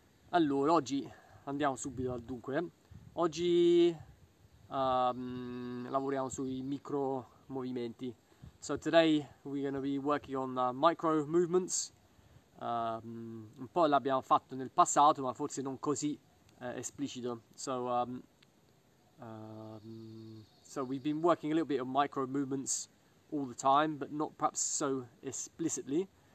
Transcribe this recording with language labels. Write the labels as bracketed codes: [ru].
[it] Allora, oggi andiamo subito al dunque. Oggi lavoriamo sui micro movimenti. [en] So, today we're going to be working on micro movements. [it] Un po' l'abbiamo fatto nel passato, ma forse non così esplicito. [en] So we've been working a little bit on micro movements all the time, but not perhaps so explicitly.